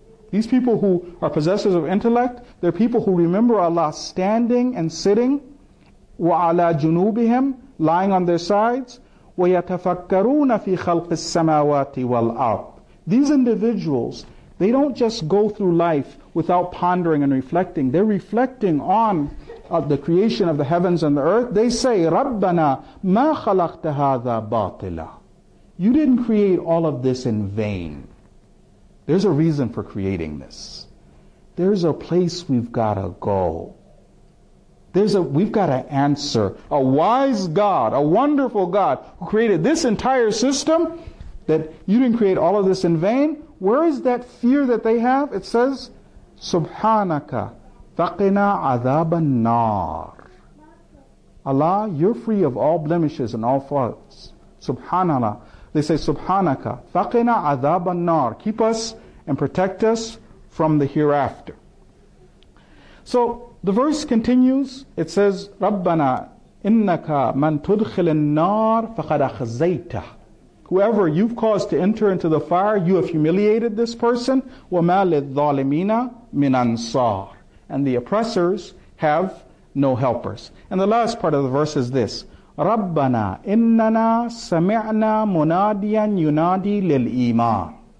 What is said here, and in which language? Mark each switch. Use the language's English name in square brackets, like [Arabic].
[English] These people who are possessors of intellect, they're people who remember Allah standing and sitting, [Arabic] وَعَلَى جُنُوبِهِمْ, [English] lying on their sides, [Arabic] وَيَتَفَكَّرُونَ فِي خَلْقِ السَّمَاوَاتِ وَالْأَرْضِ. [English] These individuals, they don't just go through life without pondering and reflecting. They're reflecting on the creation of the heavens and the earth. They say, [Arabic] رَبَّنَا مَا خَلَقْتَ هَذَا بَاطِلًا. [English] You didn't create all of this in vain. There's a reason for creating this. There's a place we've got to go. We've got to answer. A wise God, a wonderful God, who created this entire system, that you didn't create all of this in vain. Where is that fear that they have? It says, [Arabic] سُبْحَانَكَ فَقِنَا عَذَابَ النَّارِ. [English] Allah, you're free of all blemishes and all faults. Subhanallah. They say, [Arabic] سُبْحَانَكَ فَقِنَا عَذَابَ النَّارِ. [English] Keep us and protect us from the hereafter. So, the verse continues. It says, [Arabic] رَبَّنَا إِنَّكَ مَنْ تُدْخِلِ النَّارِ فَقَدَ خَزَيْتَهُ. [English] Whoever you've caused to enter into the fire, you have humiliated this person. [Arabic] وَمَا لِلظَّالِمِينَ مِنْ أَنصَارِ. [English] And the oppressors have no helpers. And the last part of the verse is this. [Arabic] رَبَّنَا إِنَّنَا سَمِعْنَا مُنَادِيًا يُنَادِي لِلْإِيمَانِ.